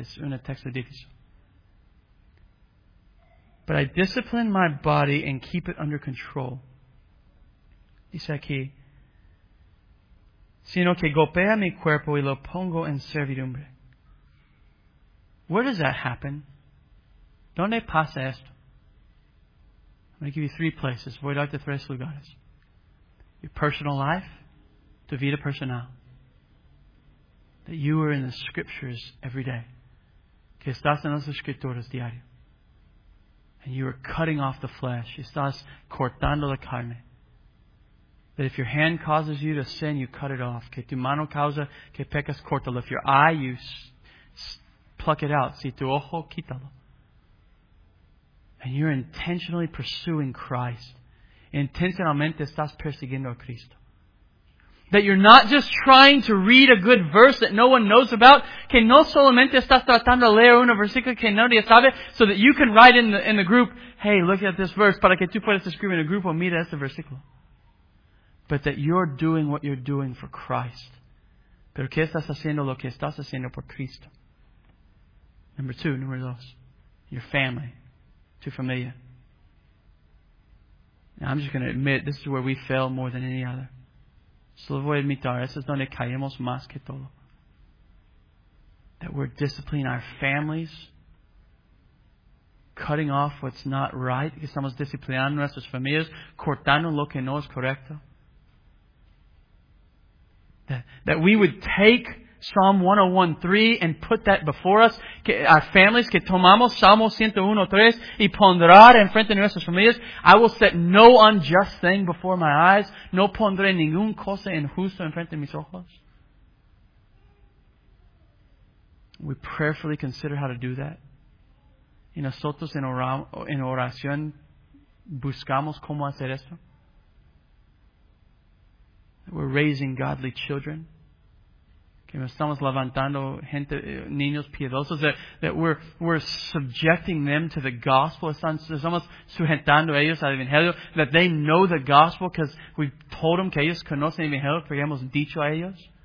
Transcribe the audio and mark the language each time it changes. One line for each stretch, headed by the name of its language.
Spanish: Es un texto difícil.
English: But I discipline my body and keep it under control.
Spanish: Dice aquí, sino que golpea mi cuerpo y lo pongo en servidumbre.
English: Where does that happen?
Spanish: ¿Dónde pasa esto?
English: I'm going to give you three places.
Spanish: Voy a darte tres lugares.
English: Your personal life,
Spanish: tu vida personal.
English: That you are in the Scriptures every day.
Spanish: Que estás en las Escrituras diario.
English: And you are cutting off the flesh.
Spanish: Estás cortando la carne.
English: That if your hand causes you to sin, you cut it off.
Spanish: Que tu mano causa que pecas, córtalo.
English: If your eye, you pluck it out.
Spanish: Si tu ojo, quítalo.
English: And you're intentionally pursuing Christ.
Spanish: Intencionalmente estás persiguiendo a Cristo.
English: That you're not just trying to read a good verse that no one knows about.
Spanish: Que no solamente estás tratando de leer un versículo que nadie sabe.
English: So that you can write in the group, hey, look at this verse.
Spanish: Para que tú puedas escribir en el grupo, mira este versículo.
English: But that you're doing what you're doing for Christ.
Spanish: Pero que estás haciendo lo que estás haciendo por Cristo.
English: Number two,
Spanish: número dos.
English: Your family.
Spanish: Tu familia.
English: Now I'm just going to admit, this is where we fail more than any other.
Spanish: Solo voy a admitir, eso es donde caemos más que todo.
English: That we're disciplining our families, cutting off what's not right,
Spanish: que estamos disciplinando nuestras familias, cortando lo que no es correcto.
English: That we would take Psalm 101:3 and put that before us, que our families,
Spanish: que tomamos Salmo 101:3 y pondrar enfrente de nuestras familias,
English: I will set no unjust thing before my eyes,
Spanish: no pondré ningún cosa injusto enfrente de mis ojos.
English: We prayerfully consider how to do that.
Spanish: Y nosotros en oración buscamos cómo hacer esto.
English: We're raising godly children.
Spanish: Estamos levantando gente, niños piedosos,
English: that we're subjecting them to the gospel.
Spanish: Estamos sujetando ellos al evangelio.
English: That they know the gospel because we told them
Spanish: que ellos conocen el evangelio porque hemos dicho a ellos.